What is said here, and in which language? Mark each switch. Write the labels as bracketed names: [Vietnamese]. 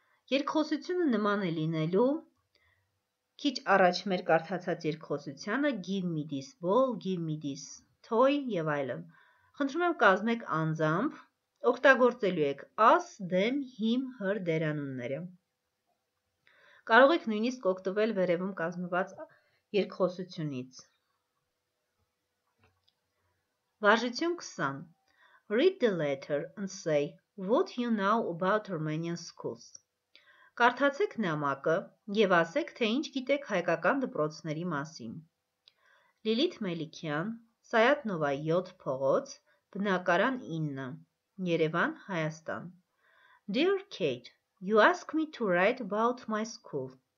[Armenian] Երկխոսությունը նման է լինելու քիչ առաջ մեր կարդացած երկխոսությանը [English] give me this ball, give me this toy [Armenian] եւ այլն։ Խնդրում եմ կազմեք անձամբ, օգտագործելու եք us, them, him, her դերանունները։ Կարող եք նույնիսկ օգտվել վերևում կազմված երկխոսությունից։ Վարժություն 20. [English] Read the letter and say what you know about Armenian schools. [Armenian] Կարդացեք նամակը եւ ասեք, թե ինչ գիտեք հայկական դպրոցների մասին։ Լիլիթ Մելիքյան, Սայաթ Նովայ 7 փողոց, բնակարան 9, Երևան, Հայաստան։ [English] Dear Kate, you ask me to write about my school.